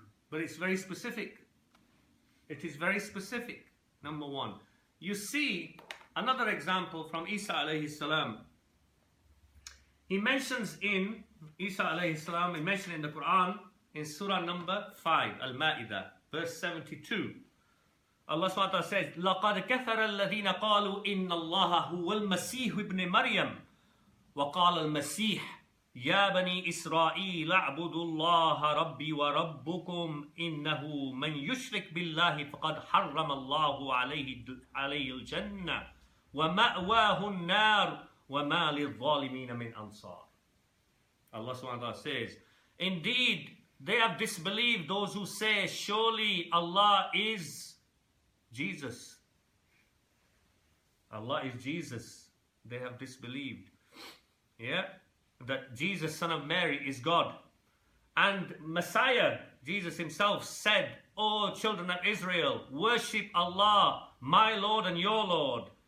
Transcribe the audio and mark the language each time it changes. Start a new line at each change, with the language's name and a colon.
English: But it's very specific. It is very specific, number one. You see another example from Isa alayhi salam. He mentions in Isa alayhi salam, he mentioned in the Quran, in surah number 5, Al-Ma'idah, verse 72.
Arabic: Allah subhanahu wa ta'ala says, لَقَدْ كَثَرَ الَّذِينَ قَالُوا إِنَّ اللَّهَ هُوَ الْمَسِيحُ ابْنِ مَرْيَمُ وَقَالَ الْمَسِيحُ يَا بَنِي إِسْرَائِيلَ اعْبُدُوا اللَّهَ رَبِّي وَرَبُّكُمْ إِنَّهُ مَنْ يُشْرِكْ بِاللَّهِ فَقَدْ حَرَّمَ اللَّهُ عَلَيْهِ الْجَنَّةِ وَمَأْوَاهُ النَّارُ وَمَا لِلظَّالِمِينَ مِنْ أَنصَارٍ.
English: Allah subhanahu wa ta'ala says, indeed, they have disbelieved those who say, surely Allah is Jesus. Allah is Jesus. They have disbelieved. Yeah? That Jesus, son of Mary, is God. And Messiah, Jesus himself, said, O children of Israel, worship Allah, my Lord and your Lord.